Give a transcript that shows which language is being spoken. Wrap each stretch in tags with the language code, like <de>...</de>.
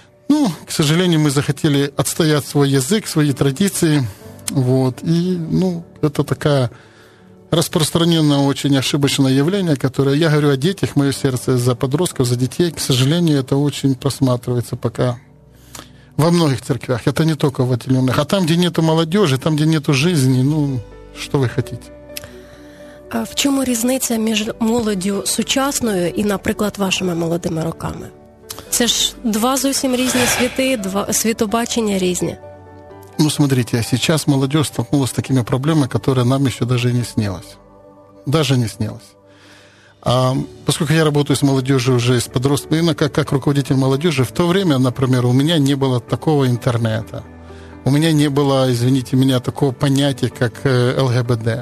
<ru>Ну, к сожалению, мы захотели отстоять свой язык, свои традиции, вот, и, ну, это такая распространенное очень ошибочное явление, которое, я говорю о детях, мое сердце за подростков, за детей, к сожалению, это очень просматривается пока. Во многих церквях, это не только в отделенных. А там, где нету молодежи, там, где нету жизни, ну, что вы хотите?</ru> <uk>А в чому різниця між молоддю сучасною і, наприклад, вашими молодими роками? Це ж два зовсім різні світи, світобачення різні.</uk> <ru>Ну, смотрите, а сейчас молодежь столкнулась с такими проблемами, которые нам еще даже не снилось. Даже не снилось. А поскольку я работаю с молодежью уже, с подростками, именно как руководитель молодежи, в то время, например, у меня не было такого интернета. У меня не было, извините меня, такого понятия, как ЛГБД.</ru>